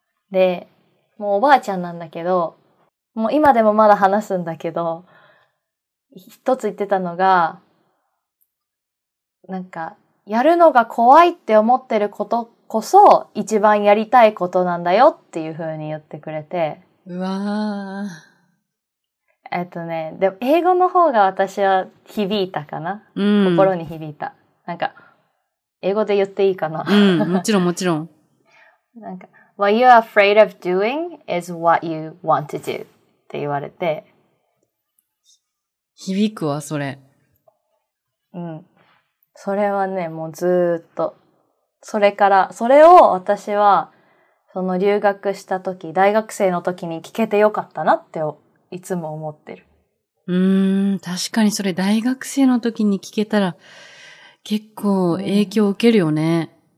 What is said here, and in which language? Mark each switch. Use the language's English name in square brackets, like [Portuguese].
[Japanese] で、もうおばあちゃんなんだけど、もう今でもまだ話すんだけど、一つ言ってたのが、なんか、やるのが怖いって思ってることこそ、一番やりたいことなんだよっていう風に言ってくれて。うわぁ。ね、でも英語の方が私は響いたかな、うん、心に響いた。なんか、英語で言っていいかな、うん、もちろんもちろん。 [English] なんか、What you're afraid of doing is what you want to do [Japanese] って言われて。響くわ、それ。うん。それはね、もうずーっと。それから、それを私は、その留学した時、大学生の時に聞けてよかったなって、いつも思ってる。確かにそれ大学生の時に聞けたら結構影響を受けるよね。